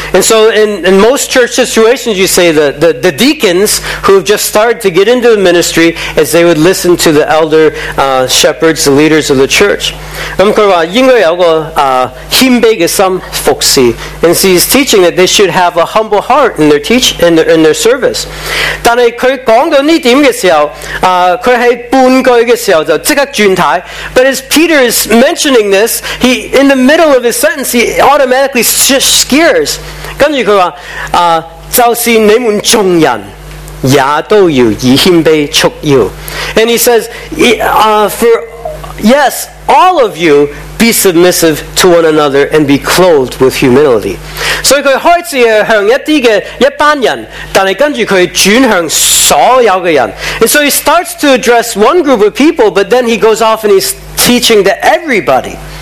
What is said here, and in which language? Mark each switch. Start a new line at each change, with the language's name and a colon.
English: And so in most church situations, you say that the deacons who have just started to get into the ministry, as they would listen to the elder shepherds, the leaders of the church. And so he's teaching that they should have a humble heart in their teach in their service.
Chinese: 但是他讲到这点的时候，他在半句的时候就即刻转台.
English: But as Peter is mentioning this, he in the middle of his sentence, he automatically just scares.
Chinese: 跟着他说, 就是你们众人也都要以谦卑束腰.
English: And he says, for yes, all of you be submissive to one another and be clothed with humility. So he starts with one group, but then he goes on to all the people. And so he starts to address one group of people, but then he goes off and he's teaching to everybody.